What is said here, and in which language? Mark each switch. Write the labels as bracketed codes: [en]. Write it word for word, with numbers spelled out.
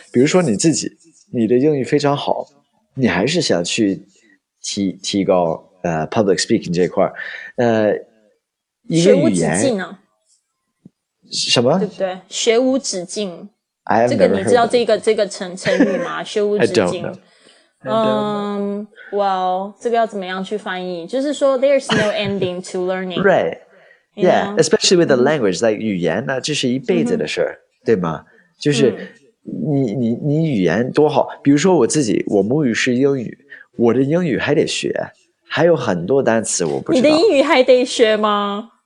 [zh] 比如说你自己你的英语非常好，你还是想去提提高呃、uh, ，public speaking 这块，呃，一个语言学无止境啊，什么？对不对？学无止境， [en] I [zh] 这个你知道这个这个成成语吗？学无止境。嗯，哇、um, well, 这个要怎么样去翻译？就是说 [en] ，there's no ending to learning， right？ Yeah， especially with the language， [zh] like 语言呢、啊，这是一辈子的事儿、嗯，对吗？就是。嗯你你你语言多好，比如说我自己，我母语是英语，我的英语还得学，还有很多单词我不知道。你的英语还得学吗？